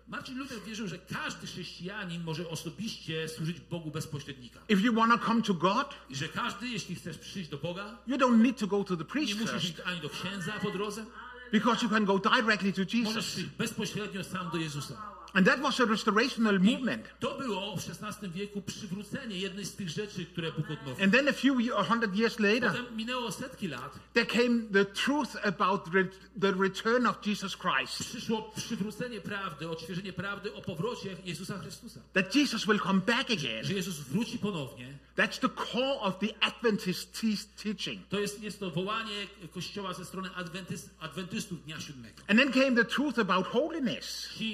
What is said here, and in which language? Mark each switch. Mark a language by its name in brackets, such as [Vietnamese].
[Polish] Martin Luther wierzył, że każdy chrześcijanin może osobiście służyć Bogu bez pośrednika. [English] If you wanna come to God, [Polish] że każdy, jeśli chcesz przyjść do Boga, [English] you don't need to go to the priest. [Polish] Nie musisz iść ani do księdza po drodze. [English] Because you can go directly to Jesus. [Polish] Bezpośrednio sam do Jezusa. [English] And that was a restorational movement. [Polish] To było w XVI wieku przywrócenie jednej z tych rzeczy, które Bóg odnowił. [English] And then a hundred years later, [Polish] potem minęło setki lat, [English] there came the truth about the return of Jesus Christ. [Polish] Przyszło przywrócenie prawdy, odświeżenie prawdy o powrocie Jezusa Chrystusa. [English] That Jesus will come back again. [Polish] Że Jezus wróci ponownie. [English] That's the core of the Adventist teaching. [Polish] To jest to wołanie Kościoła ze strony Adwentystów Dnia Siódmego. [English] And then came the truth about holiness.